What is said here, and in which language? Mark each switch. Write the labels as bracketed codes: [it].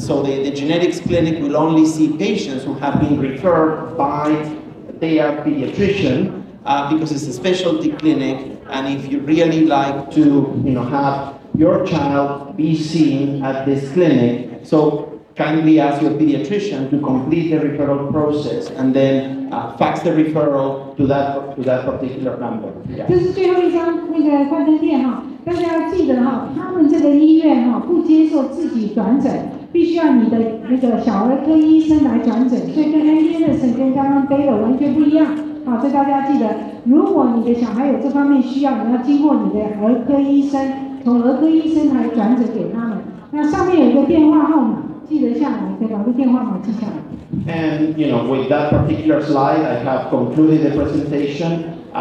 [en] So the genetics clinic will only see patients who have been referred by their pediatrician, because it's a specialty clinic, and if you really like to, you know, have your child be seen at this clinic, so kindly ask your pediatrician to complete the referral process, and then fax the referral to that particular number. Yeah. [zh] 这是最后一张那个幻灯片哈，大家要记得哈，他们这个医院哈不接受自己转诊，必须要你的那个小儿科医生来转诊，所以跟 Anderson 跟刚刚 Baylor 完全不一样。好，所以大家记得，如果你的小孩有这方面需要，你要经过你的儿科医生，从儿科医生来转诊给他们。那上面有一个电话号码。 [en] And you know, with that particular slide, I have concluded the presentation.